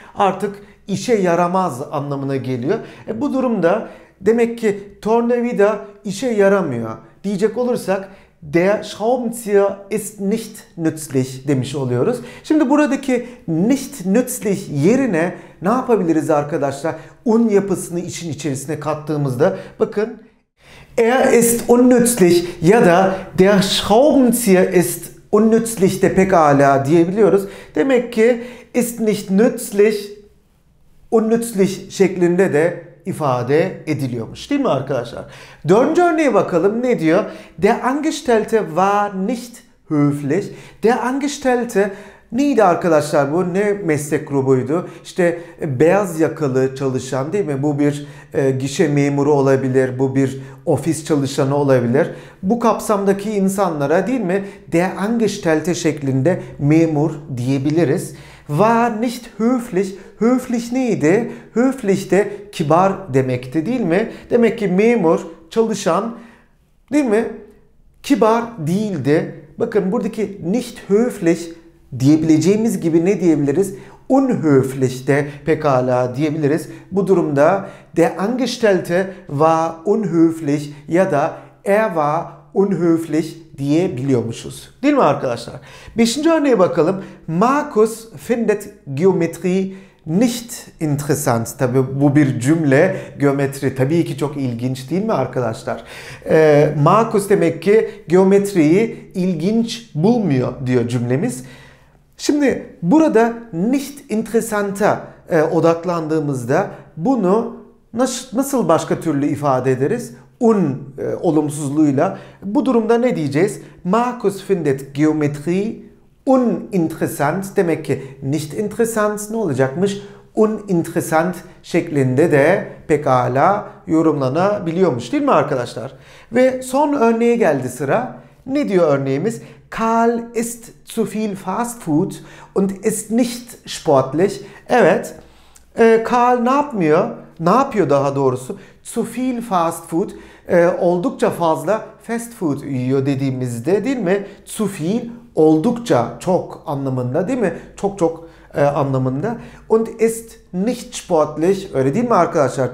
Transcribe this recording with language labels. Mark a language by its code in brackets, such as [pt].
[tr] Artık işe yaramaz anlamına geliyor. Bu durumda demek ki tornavida işe yaramıyor diyecek olursak [de] Der Schraubenzieher ist nicht nützlich [tr] demiş oluyoruz. Şimdi buradaki [de] nicht nützlich [tr] yerine ne yapabiliriz arkadaşlar? Un yapısını işin içerisine kattığımızda bakın. [de] Er ist unnützlich [tr] ya da [de] der Schraubenzieher ist unnützlich [tr] de pekala diyebiliyoruz. Demek ki [de] ist nicht nützlich, unnützlich [tr] şeklinde de ifade ediliyormuş. Değil mi arkadaşlar? Dördüncü örneğe bakalım. Ne diyor? [de] Der Angestellte war nicht höflich. Der Angestellte [tr] neydi arkadaşlar bu? Ne meslek grubuydu? İşte beyaz yakalı çalışan değil mi? Bu bir gişe memuru olabilir. Bu bir ofis çalışanı olabilir. Bu kapsamdaki insanlara değil mi? [de] Der Angestellte [tr] şeklinde memur diyebiliriz. [de] War nicht höflich. Höflich [tr] neydi? [de] Höflich [tr] de kibar demekti değil mi? Demek ki memur, çalışan değil mi? Kibar değildi. Bakın buradaki [de] nicht höflich [tr] diyebileceğimiz gibi ne diyebiliriz? [de] Unhöflich [tr] de pekala diyebiliriz. Bu durumda [de] der Angestellte war unhöflich [tr] ya da [de] er war unhöflich [tr] diyebiliyormuşuz. Değil mi arkadaşlar? Beşinci örneğe bakalım. [de] Markus findet Geometrie nicht interessant. [tr] Tabi bu bir cümle. Geometri tabii ki çok ilginç değil mi arkadaşlar? Markus demek ki geometriyi ilginç bulmuyor diyor cümlemiz. Şimdi burada [de] nicht interessanta [tr] odaklandığımızda bunu nasıl başka türlü ifade ederiz? Un olumsuzluğuyla. Bu durumda ne diyeceğiz? [de] Markus findet Geometrie uninteressant. [tr] Demek ki [de] nicht interessant [tr] ne olacakmış? [de] Uninteressant [tr] şeklinde de pekala yorumlanabiliyormuş, değil mi arkadaşlar? Ve son örneğe geldi sıra. Ne diyor örneğimiz? [de] Karl isst zu viel fast food und ist nicht sportlich. [tr] Evet, Karl ne yapmıyor? Ne yapıyor daha doğrusu? [de] Zu viel fast food, [tr] oldukça fazla fast food yiyor dediğimizde, değil mi? [de] Zu viel, [tr] oldukça, çok anlamında, değil mi? Çok çok anlamında. [de] Und ist nicht sportlich, [tr] öyle değil mi arkadaşlar?